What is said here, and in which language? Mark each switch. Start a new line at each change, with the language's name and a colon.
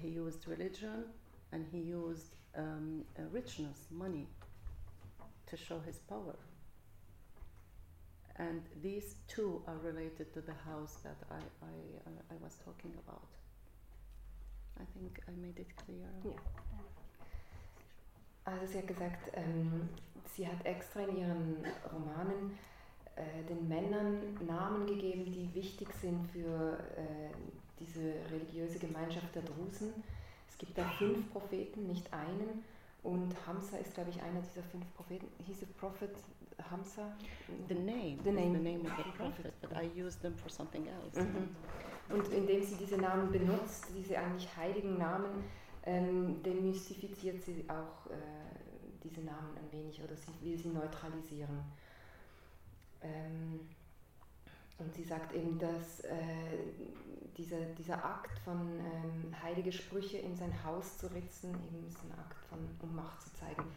English: He used religion and he used richness, money, to show his power. And these two are related to the house that I was talking about. I think I made it clear. Yeah.
German: Also sie hat gesagt, sie hat extra in ihren Romanen den Männern Namen gegeben, die wichtig sind für diese religiöse Gemeinschaft der Drusen. Es gibt da fünf Propheten, nicht einen. Und Hamza ist, glaube ich, einer dieser fünf Propheten.
English: He's a prophet, Hamza? The name of the prophet, but I use them for something else. Mm-hmm.
German: Und indem sie diese Namen benutzt, diese eigentlich heiligen Namen, demystifiziert sie auch diese Namen ein wenig, oder sie will sie neutralisieren. Und sie sagt eben, dass dieser Akt von heilige Sprüche in sein Haus zu ritzen, eben ist ein Akt von, um Macht zu zeigen.